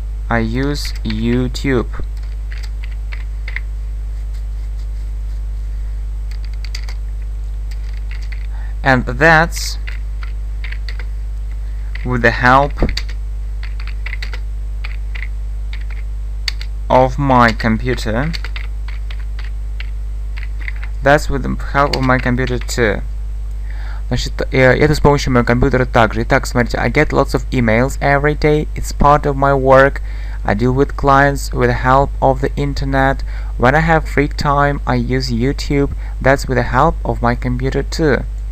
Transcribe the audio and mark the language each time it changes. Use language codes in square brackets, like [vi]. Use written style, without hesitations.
[en] And that's with the help of my computer. That's with the help of my computer too. [ru] Значит, это с помощью моего компьютера также. Итак, смотрите, [en] I get lots of emails every day. It's part of my work. I deal with clients with the help of the internet. When I have free time, I use YouTube. That's with the help of my computer too.